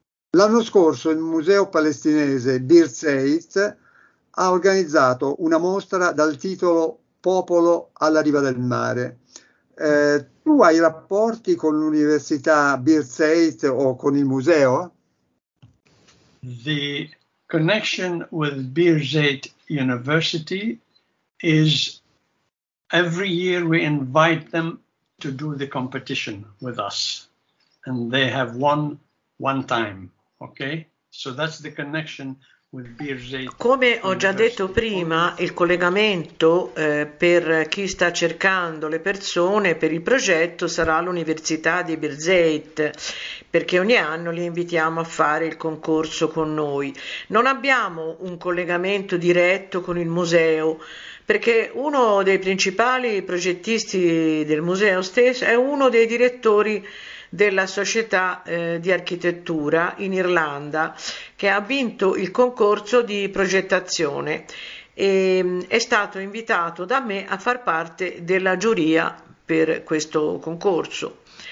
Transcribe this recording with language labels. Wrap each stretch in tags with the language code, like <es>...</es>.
<it>L'anno scorso il museo palestinese Bir Zeit ha organizzato una mostra dal titolo Popolo alla riva del mare. Tu hai rapporti con l'università Bir Zeit o con il museo?</it> <en>The connection with Bir Zeit University is every year we invite them to do the competition with us, and they have won one time. Okay? So that's the connection with Bir Zeit</en> <it>Come ho già detto</it> <en>University.</en> <it>prima, il collegamento per chi sta cercando le persone per il progetto sarà l'Università di Bir Zeit, perché ogni anno li invitiamo a fare il concorso con noi. Non abbiamo un collegamento diretto con il museo, perché uno dei principali progettisti del museo stesso è uno dei direttori della società di architettura in Irlanda che ha vinto il concorso di progettazione e è stato invitato da me a far parte della giuria per questo concorso.</it>